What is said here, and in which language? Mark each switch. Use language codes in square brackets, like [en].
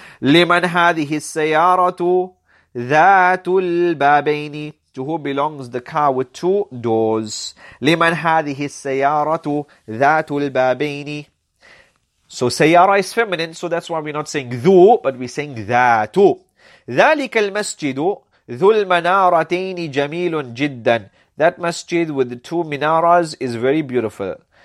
[ar] لِمَنْ هَذِهِ السَّيَارَةُ ذَاتُ الْبَابَيْنِ, [en] to who belongs the car with two doors. [ar] لِمَنْ هَذِهِ السَّيَارَةُ ذَاتُ الْبَابَيْنِ, [en] So سيارة is feminine, so that's why we're not saying ذو, but we're saying ذات. [ar] ذلك المسجد ذو المنارتين جميل جدا. [en] That masjid with the two minaras is very beautiful.